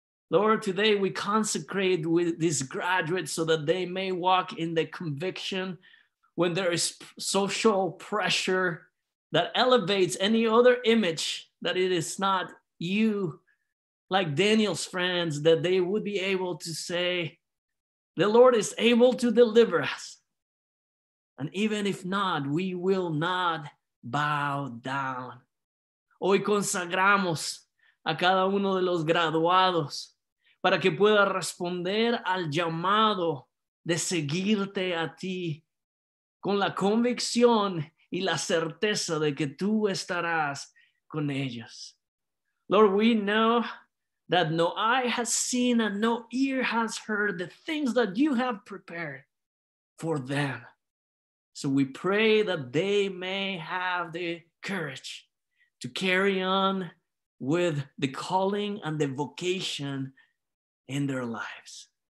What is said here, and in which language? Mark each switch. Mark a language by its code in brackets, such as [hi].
[en] Lord, today we consecrate with these graduates so that they may walk in the conviction when there is social pressure that elevates any other image that it is not you, like Daniel's friends, that they would be able to say, the Lord is able to deliver us. And even if not, we will not bow down. [es] Hoy consagramos a cada uno de los graduados para que pueda responder al llamado de seguirte a ti con la convicción y la certeza de que tú estarás con ellos. [en] Lord, we know that no eye has seen and no ear has heard the things that you have prepared for them. So we pray that they may have the courage to carry on with the calling and the vocation in their lives.